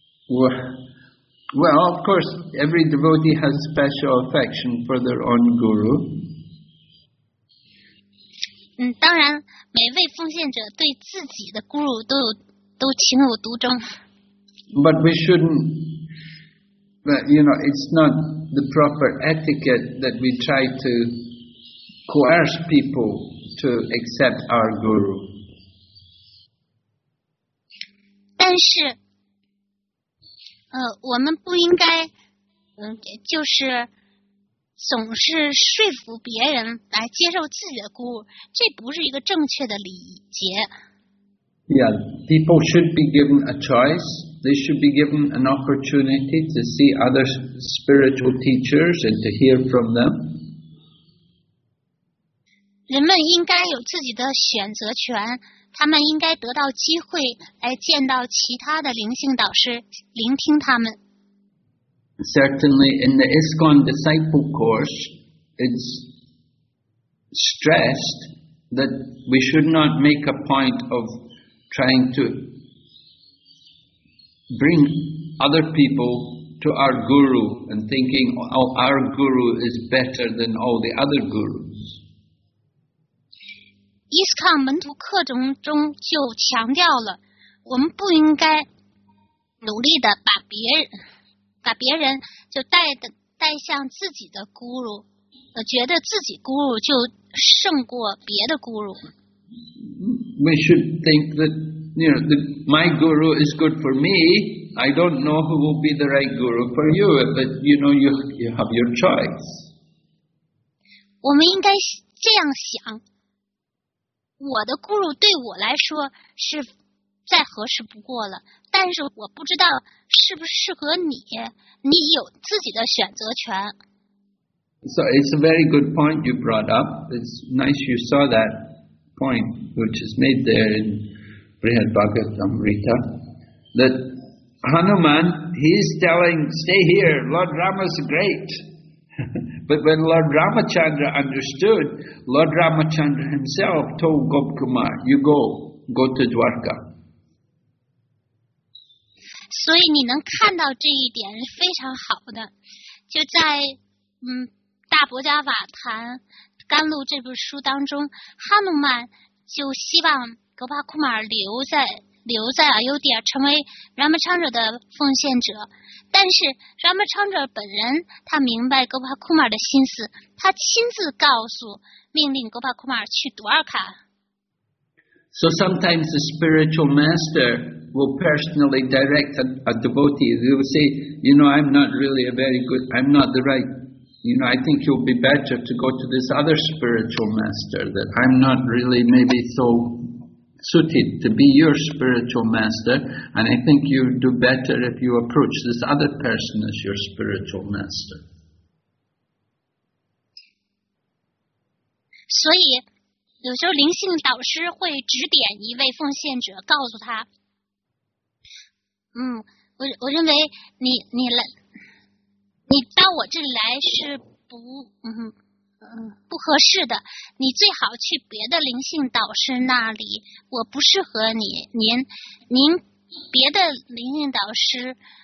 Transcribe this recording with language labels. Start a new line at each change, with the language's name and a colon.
English: Well, of course, every devotee has special affection for their own guru.
Chinese: 当然，每位奉献者对自己的咕噜都情有独钟。
English: But we shouldn't. But, you know, it's not the proper etiquette that we try to coerce people to accept our guru.
Chinese: 但是，我们不应该，就是总是说服别人来接受自己的guru，这不是一个正确的礼节。
English: Yeah, people should be given a choice. They should be given an opportunity to see other spiritual teachers and to hear from them.
Chinese: 人们应该有自己的选择权，他们应该得到机会来见到其他的灵性导师，聆听他们。
English: Certainly, in the ISKCON disciple course, it's stressed that we should not make a point of. Trying to bring other people to our guru and thinking, oh, our guru is better than all the other gurus.
Chinese: ISKCON 门徒课程中就强调了，我们不应该努力的把别人就带向自己的 guru， 觉得自己 guru 就胜过别的 guru。
English: We should think that. You know, my guru is good for me. I don't know who will be the right guru for you, but you know, you have your choice.
Chinese: 我们应该这样想，我的 guru 对我来说是再合适不过了，但是我不知道适不适合你，你有自己的选择权。
English: So it's a very good point you brought up. It's nice you saw that point, which is made there in. Brihad Bhagavatamrita, that Hanuman, he's telling, stay here, Lord Rama's great. But when Lord Ramachandra understood, Lord Ramachandra himself told Gopkumar, you go to Dwarka.
Chinese: 所以你能看到这一点是非常好的。就在大伯家瓦坛甘露这部书当中，哈努曼就希望格巴库玛留在阿尤迪亚，成为拉玛昌者的奉献者。但是拉玛昌者本人，他明白格巴库玛的心思，他亲自告诉命令格巴库玛去杜尔卡。
English: So sometimes the spiritual master will personally direct a devotee. They will say, you know, I think you'll be better to go to this other spiritual master, that I'm not really maybe so suited to be your spiritual master, and I think you'd do better if you approach this other person as your spiritual master.
Chinese: 所以有时候灵性导师会指点一位奉献者，告诉他，我认为你到我这里来是不合适的，你最好去别的灵性导师那里，我不适合你，您别的灵性导师